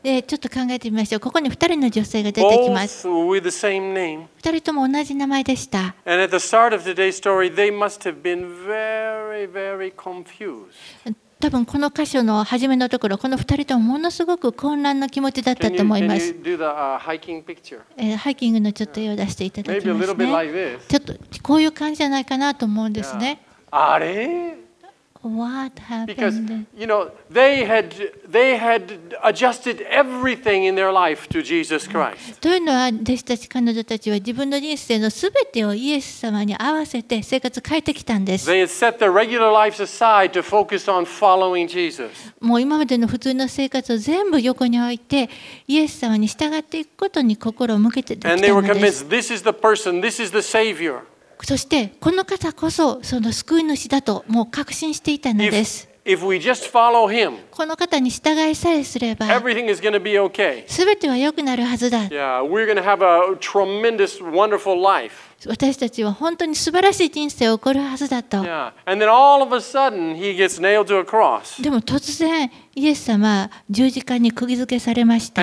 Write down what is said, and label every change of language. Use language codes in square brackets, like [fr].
[ja] ちょっと考えてみましょう。ここに二人の女性が出てきます。 [en] Both with the same name. [ja] 二人とも同じ名前でした。 [en] And at the start of today's story, they must have been very, very confused. [ja] 多分この箇所の初めのところ、この二人ともものすごく混乱の気持ちだったと思います。ハイキングのちょっと絵を出していただきますね。 [en] Yeah. Like、 [ja] ちょっとこういう感じじゃないかなと思うんですね。 [en] Yeah. [ja] あれ [en] ？What happened? Because you know they had adjusted everything in their life to Jesus Christ. [ja] というのは弟子たち彼女たちは自分の人生のすべてをイエス様に合わせて生活変えてきたんです。 [en] They had set their regular lives aside to focus on following Jesus. [ja] もう今までの普通の生活を全部横に置いてイエス様に従っていくことに心を向けてきたんです。 [en] And they were convinced this is the person, this is the Savior. [ja] そしてこの方こそその救い主だともう確信していたのです。 [en] If we just follow him, [ja] この方に従いさえすれば、 [en] everything is going to be okay. [ja] 全ては良くなるはずだ。 [en] Yeah, we're going to have a tremendous, wonderful life. [ja] 私たちは本当に素晴らしい人生を送るはずだと。 [en] Yeah, and then all of a sudden he gets nailed to a cross. [ja] でも突然イエス様は十字架に釘付けされました。